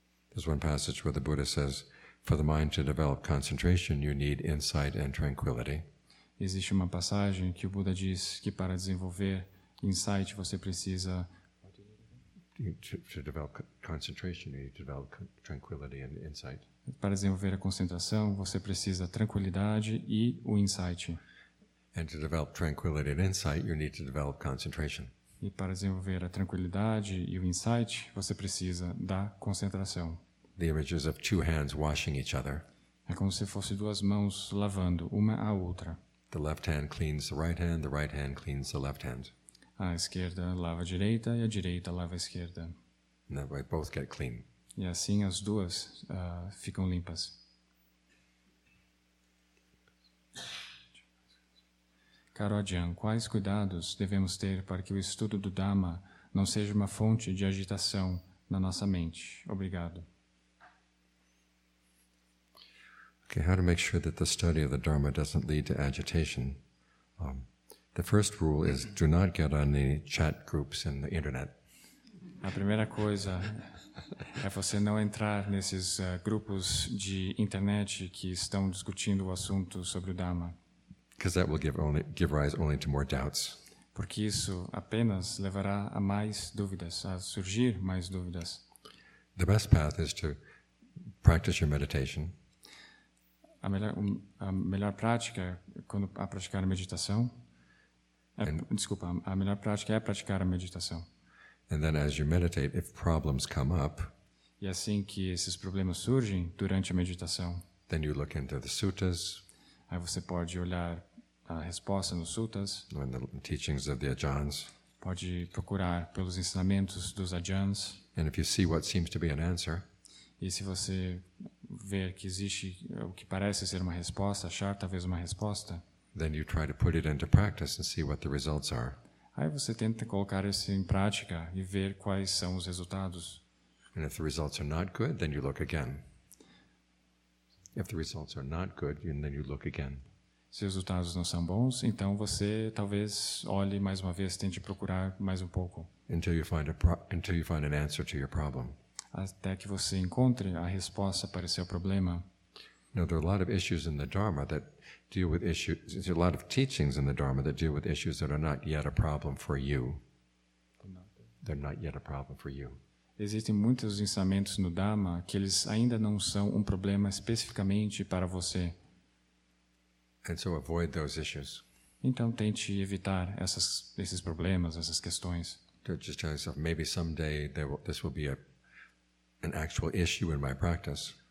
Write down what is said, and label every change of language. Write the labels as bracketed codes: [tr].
[en] There's one passage where the Buddha says, for the mind to develop concentration, you need insight and tranquility. [pt] Existe uma passagem que o Buda diz que para desenvolver insight você precisa [en] To develop concentration, you need to develop tranquility and insight. [pt] Para desenvolver a concentração, você precisa tranquilidade e o insight. [en] And to develop tranquility and insight, you need to develop concentration. [pt] E para desenvolver a tranquilidade e o insight, você precisa da concentração. [en] The images of two hands washing each other. [pt] É como se fosse duas mãos lavando uma à outra. [en] The left hand cleans the right hand cleans the left hand. [pt] A esquerda lava a direita lava a esquerda. [en] And that way both get clean. [pt] E assim as duas ficam limpas. Caro Ajahn, quais cuidados devemos ter para que o estudo do Dhamma não seja uma fonte de agitação na nossa mente? Obrigado. [en] Okay, how to make sure that the study of the Dharma doesn't lead to agitation? The first rule is do not get on any chat groups in the internet. [pt] A primeira coisa é você não entrar nesses grupos de internet que estão discutindo o assunto sobre o Dhamma. [en] Because that will give rise only to more doubts. [pt] Porque isso apenas levará a mais dúvidas, a surgir mais dúvidas. [en] The best path is to practice your meditation. [pt] A melhor prática quando a praticar a meditação. A melhor prática é praticar a meditação. [en] And then as you meditate, if problems come up, [pt] e assim que esses problemas surgem durante a meditação, [en] then you look into the suttas, [pt] aí você pode olhar a resposta nos suttas, [en] the teachings of the ajahns, [pt] pode procurar pelos ensinamentos dos Ajahns. [en] And if you see what seems to be an answer, [pt] e se você ver que existe o que parece ser uma resposta, achar talvez uma resposta, [en] then you try to put it into practice and see what the results are. [pt] Aí você tenta colocar isso em prática e ver quais são os resultados. [en] And if the results are not good, then you look again. If the results are not good, then you look again. [pt] Se os resultados não são bons, então você talvez olhe mais uma vez, tente procurar mais um pouco. [en] Until you find an answer to your problem. [pt] Até que você encontre a resposta para seu problema. [en] Now, there are a lot of issues in the Dharma that deal with issues. There are a lot of teachings in the Dharma that deal with issues that are not yet a problem for you. They're not yet a problem for you. [pt] Existem muitos ensinamentos no Dharma que eles ainda não são problema especificamente para você. [en] And so avoid those issues. [pt] Então tente evitar esses problemas, essas questões. [en] Just tell yourself, maybe someday this will be an actual issue in my practice.